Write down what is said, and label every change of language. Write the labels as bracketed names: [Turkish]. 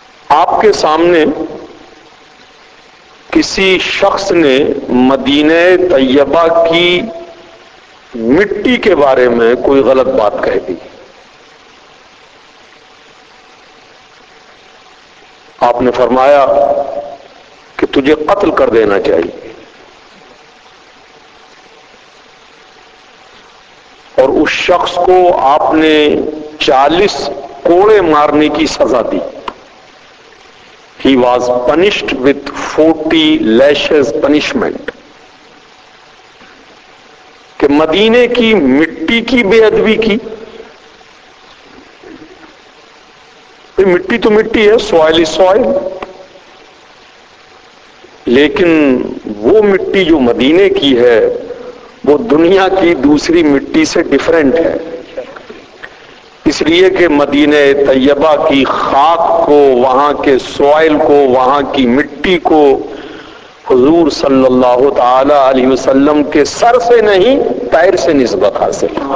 [Hindi] आपके सामने किसी शख्स ने मदीने तैयबा की मिट्टी के बारे में कोई गलत बात कह दी, आपने फरमाया कि तुझे कत्ल कर देना चाहिए, और उस शख्स को आपने 40 कोड़े मारने की सजा दी। [English] He was punished with 40 lashes punishment। [Hindi] कि मदीने की मिट्टी की बेअदबी की, मिट्टी तो मिट्टी है, [English] soil is soil, [Hindi] लेकिन वो मिट्टी जो मदीने की है वो दुनिया की दूसरी मिट्टी से डिफरेंट है, इसलिए कि मदीने तैयबा की खाक को, वहां के सॉइल को, वहां की मिट्टी को हुजूर सल्लल्लाहु तआला अलैहि वसल्लम के सर से नहीं पैर से निस्बत हासिल।